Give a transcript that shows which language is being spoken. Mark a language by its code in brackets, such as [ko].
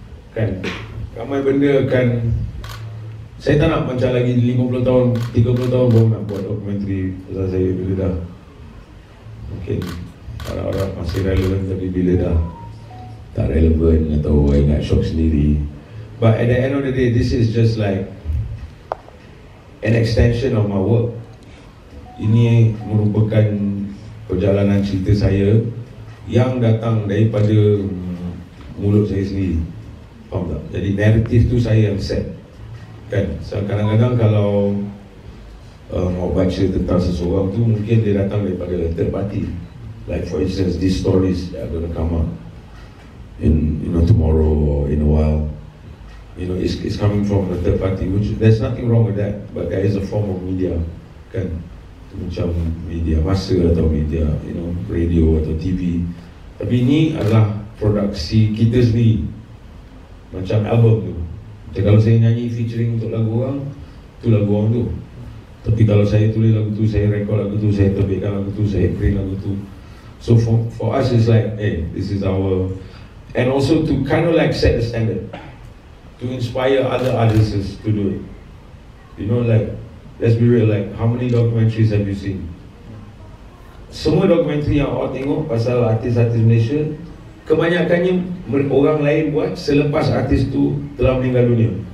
[ms] Kan, ramai benda kan. Saya tak nak macam lagi 50 tahun, 30 tahun baru nak buat dokumentari pasal saya bila dah. Mungkin orang-orang masih relevan, tapi bila dah tak relevan atau orang nak shock sendiri. [en] But at the end of the day, this is just like an extension of my work. [ms] Ini merupakan perjalanan cerita saya yang datang daripada mulut saya sendiri. Faham tak? Jadi narrative tu saya yang set. Kan, so kadang-kadang kalau mau baca tentang seseorang tu, mungkin dia datang daripada third party. [en] Like for instance, these stories that are gonna come up in, you know, tomorrow or in a while. You know, it's coming from the third party, which there's nothing wrong with that. But there is a form of media, kan? [ms] Macam media masa atau media, [en] you know, [ms] radio atau TV. Tapi ini adalah produksi kita sendiri. Macam album tu. Jadi kalau saya nyanyi featuring untuk lagu orang, tu lagu orang tu. Tapi kalau saya tulis lagu tu, saya rekod lagu tu, saya terbitkan lagu tu, saya print lagu tu. [en] So for us it's like, hey, this is our, and also to kind of like set the standard, to inspire other artists to do it. You know, like, let's be real, like, how many documentaries have you seen? [ms] Semua dokumentari yang awak tengok pasal artis-artis Malaysia, kebanyakannya orang lain buat selepas artis tu telah meninggal dunia.